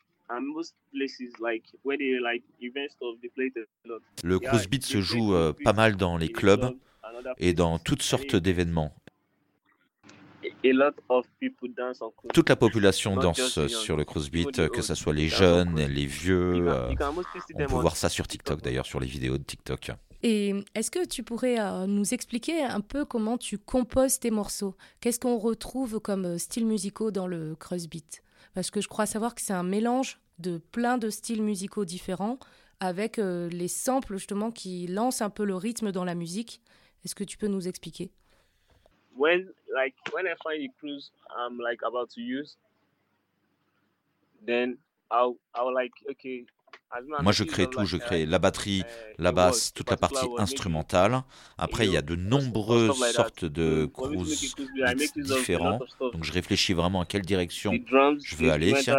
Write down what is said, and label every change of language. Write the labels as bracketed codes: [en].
[en] And most places like where they like events of the place. [fr] Le crossbeat se joue pas mal dans les clubs et dans toutes sortes d'événements. [en] A lot of people dance on cruise. [fr] Toute la population danse sur le crossbeat, que ce soit les jeunes, les vieux. On peut voir ça sur TikTok d'ailleurs, sur les vidéos de TikTok. Et est-ce que tu pourrais nous expliquer un peu comment tu composes tes morceaux? Qu'est-ce qu'on retrouve comme styles musicaux dans le crossbeat? Parce que je crois savoir que c'est un mélange de plein de styles musicaux différents, avec les samples justement qui lancent un peu le rythme dans la musique. Est-ce que tu peux nous expliquer? [en] When I find the clues I'm like about to use, then I'll like okay. [fr] Moi, je crée tout. Je crée la batterie, la basse, toute la partie instrumentale. Après, il y a de nombreuses sortes de grooves différents. Donc, je réfléchis vraiment à quelle direction je veux aller.